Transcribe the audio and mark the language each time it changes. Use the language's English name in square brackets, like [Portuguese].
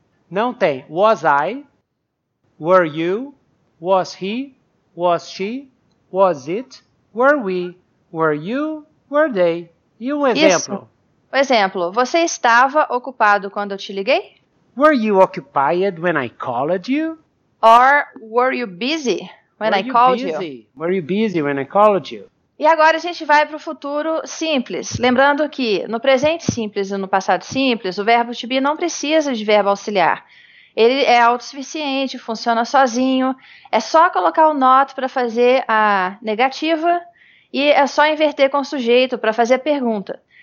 [Portuguese] Não tem. [English] Was I? Were you? Was he? Was she? Was it? Were we? Were you? Were they? [Portuguese] E um exemplo? Isso. Um exemplo. Você estava ocupado quando eu te liguei? [English] Were you occupied when I called you? Or were you busy when I called you? Were you busy when I called you? [Portuguese] E agora a gente vai para o futuro simples. Lembrando que no presente simples e no passado simples, o verbo to be não precisa de verbo auxiliar. Ele é autossuficiente, funciona sozinho. É só colocar o not para fazer a negativa e é só inverter com o sujeito para fazer a pergunta.